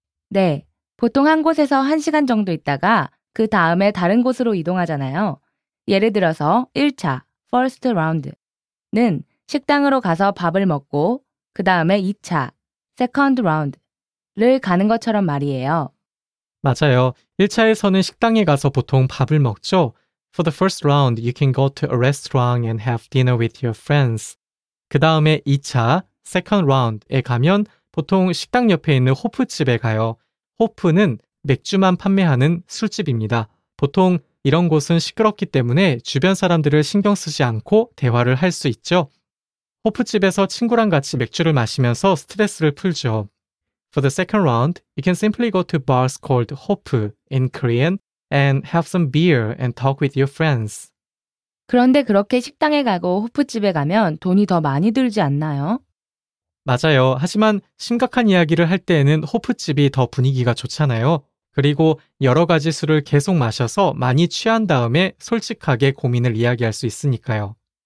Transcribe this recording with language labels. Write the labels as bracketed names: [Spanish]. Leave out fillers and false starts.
[Korean] 네, 보통 한 곳에서 1시간 정도 있다가 그 다음에 다른 곳으로 이동하잖아요. 예를 들어서 1차, [English] first round [Korean] 는 식당으로 가서 밥을 먹고 그 다음에 2차, [English] second round [Korean] 를 가는 것처럼 말이에요. 맞아요. 1차에서는 식당에 가서 보통 밥을 먹죠. [English] For the first round, you can go to a restaurant and have dinner with your friends. [Korean] 그 다음에 2차, [English] second round [Korean] 에 가면 보통 식당 옆에 있는 호프집에 가요. 호프는 맥주만 판매하는 술집입니다. 보통 이런 곳은 시끄럽기 때문에 주변 사람들을 신경 쓰지 않고 대화를 할 수 있죠. 호프집에서 친구랑 같이 맥주를 마시면서 스트레스를 풀죠. [English] For the second round, you can simply go to bars called Hope in Korean and have some beer and talk with your friends. [Korean] 그런데 그렇게 식당에 가고 호프집에 가면 돈이 더 많이 들지 않나요? 맞아요. 하지만 심각한 이야기를 할 때에는 호프집이 더 분위기가 좋잖아요. 그리고 여러 가지 술을 계속 마셔서 많이 취한 다음에 솔직하게 고민을 이야기할 수 있으니까요.